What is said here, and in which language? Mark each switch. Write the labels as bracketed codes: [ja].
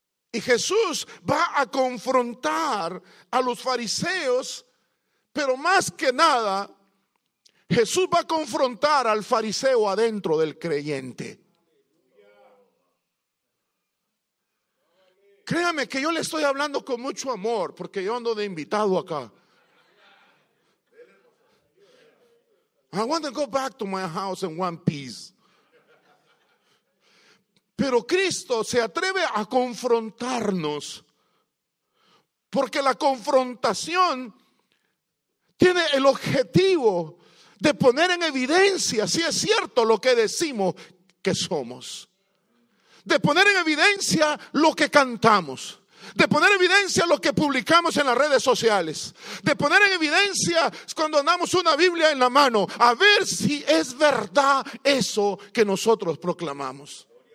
[es] Y Jesús va a confrontar a los fariseos, pero más que nada, Jesús va a confrontar al fariseo adentro del creyente. Créame que yo le estoy hablando con mucho amor, porque yo ando de invitado acá. [en] I want to go back to my house in one piece. [es] Pero Cristo se atreve a confrontarnos, porque la confrontación tiene el objetivo de poner en evidencia si es cierto lo que decimos que somos, de poner en evidencia lo que cantamos, de poner en evidencia lo que publicamos en las redes sociales, de poner en evidencia cuando andamos una Biblia en la mano, a ver si es verdad eso que nosotros proclamamos.